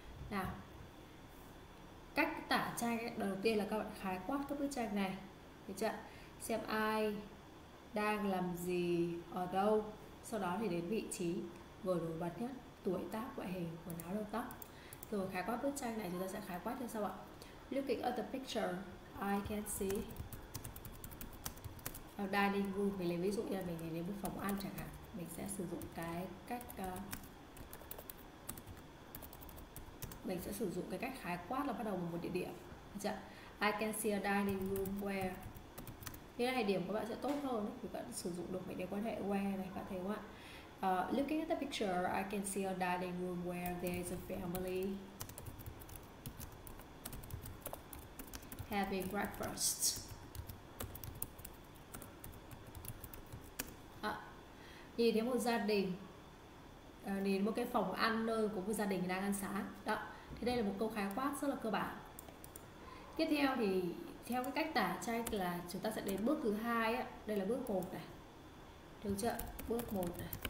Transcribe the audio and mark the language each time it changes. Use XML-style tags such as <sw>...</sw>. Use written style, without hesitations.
<vi>Nào, cách tả tranh ấy, đầu tiên là các bạn khái quát cái bức tranh này. Chưa? Xem ai đang làm gì ở đâu. Sau đó thì đến vị trí vừa nổi bật nhất, tuổi tác, ngoại hình, quần áo, đầu tóc. Rồi khái quát bức tranh này chúng ta sẽ khái quát như sau ạ.</vi> <en>Looking at the picture, I can see a dining room.</en> <vi>Mình lấy ví dụ như là mình lấy một phòng ăn chẳng hạn. Mình sẽ sử dụng cái cách mình sẽ sử dụng cái cách khái quát là bắt đầu bằng một địa điểm.</vi> <en>I can see a dining room where.</en> <vi>Như này điểm của bạn sẽ tốt hơn vì bạn sử dụng được mệnh đề quan hệ where này, các bạn thấy không ạ?</vi> <en>Looking at the picture, I can see a dining room where there is a family having breakfast.</en> <vi>Nhìn thấy một gia đình, nhìn thấy một cái phòng ăn nơi của một gia đình đang ăn sáng. Đó, thì đây là một câu khái quát rất là cơ bản. Tiếp theo thì theo cái cách tả tranh là chúng ta sẽ đến bước thứ hai á. Đây là bước 1 này. Được chưa? Bước 1 này.</vi>